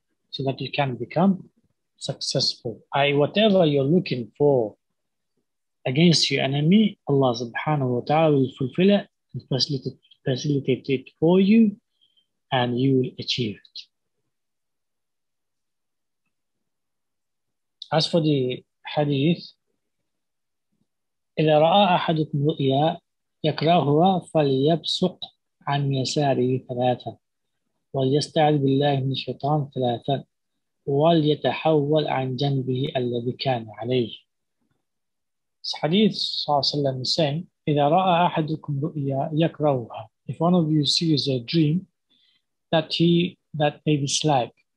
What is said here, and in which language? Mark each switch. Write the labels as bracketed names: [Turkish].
[English] So that you can become successful. Whatever you're looking for against your enemy, Allah subhanahu wa ta'ala will fulfill it and facilitate it for you, and you will achieve it. As for the hadith, [Arabic] إِذَا رَأَى أَحَدُكُمْ رُؤْيَا يَكْرَهُهَا فَلْيَبْسُطْ عَنْ يَسَارِهِ ثَلَاثًا وَلْيَسْتَعِذْ بِاللَّهِ مِنْ الشَّيْطَانِ ثَلَاثًا وَلْيَتَحَوَّلْ عَنْ جَنْبِهِ الَّذِي كَانَ عَلَيْهِ. [English] This hadith, sallallahu alayhi wa sallam, is saying, [Arabic] إِذَا رَأَى أَحَدُكُمْ رُؤْيَا يَكْرَهُهَا, [English] if one of you sees a dream that may be slack,